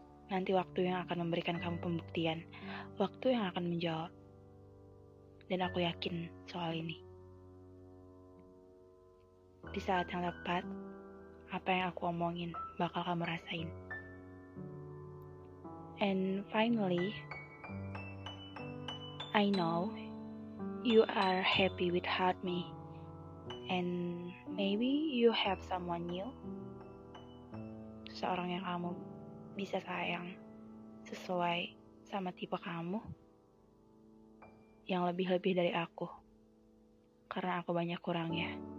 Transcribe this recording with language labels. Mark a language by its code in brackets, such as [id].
[id] Nanti waktu yang akan memberikan kamu pembuktian, waktu yang akan menjawab. Dan aku yakin soal ini. Di saat yang tepat, apa yang aku omongin bakal kamu rasain. [en] And finally, I know you are happy without me. And maybe you have someone new. [id] Seorang yang kamu bisa sayang sesuai sama tipe kamu, yang lebih-lebih dari aku, karena aku banyak kurangnya.